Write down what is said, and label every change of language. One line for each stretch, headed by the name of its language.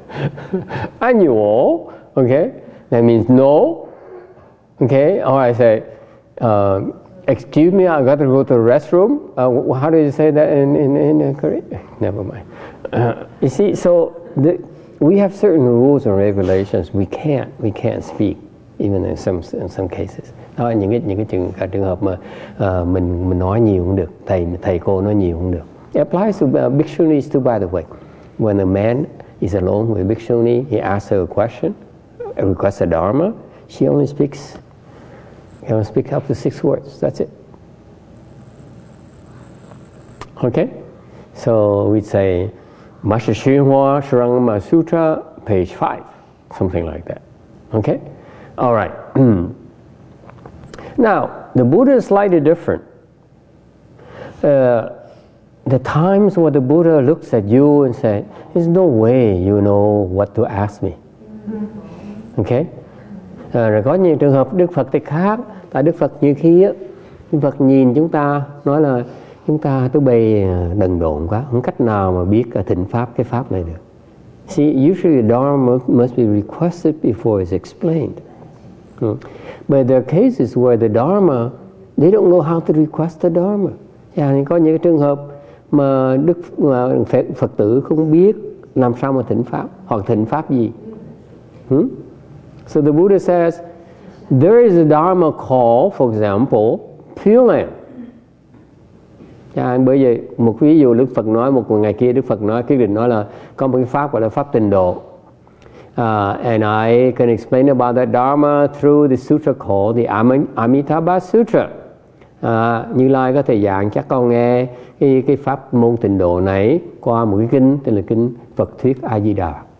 English: Anyo, okay? That means no. Okay, or I say, excuse me, I got to go to the restroom. How do you say that in Korean? Never mind. You see, so we have certain rules and regulations. We can't speak, even in some cases.
Vietnamese: Đó là những cái trường hợp mà mình nói nhiều cũng được, thầy cô nói nhiều cũng được.
English: It applies to bhikshunis too, by the way. When a man is alone with a bhikshuni, he asks her a question, requests a dharma, she only speaks. You want to speak up to 6 words. That's it. Okay? So we'd say, Masha Shinhua Sharangama Sutra, page 5. Something like that. Okay? All right. Now, the Buddha is slightly different. The times when the Buddha looks at you and says, there's no way you know what to ask me. Okay?
Vietnamese: Rồi có những trường hợp Đức Phật thì khác. Là Đức Phật như khi á, Đức Phật nhìn chúng ta nói là chúng ta tôi bề đần độn quá, không cách nào mà biết thịnh pháp cái pháp này được.
English: See, usually dharma must be requested before it's explained. But there are cases where the dharma, they don't know how to request the dharma.
Vietnamese: Yeah, có những trường hợp mà Phật tử không biết làm sao mà thịnh pháp hoặc thịnh pháp gì.
English: So the Buddha says, there is a dharma call, for example, Pure Land.
Vietnamese: Yeah, bây giờ một ví dụ Đức Phật nói một ngày kia Đức Phật nói quyết định nói là có một cái pháp gọi là pháp tịnh độ.
English: And I can explain about that dharma through the sutra called the Amitabha Sutra.
Vietnamese: Như Lai có thể giảng chắc con nghe cái pháp môn tịnh độ này qua một cái kinh tên là kinh Phật thuyết A Di Đà.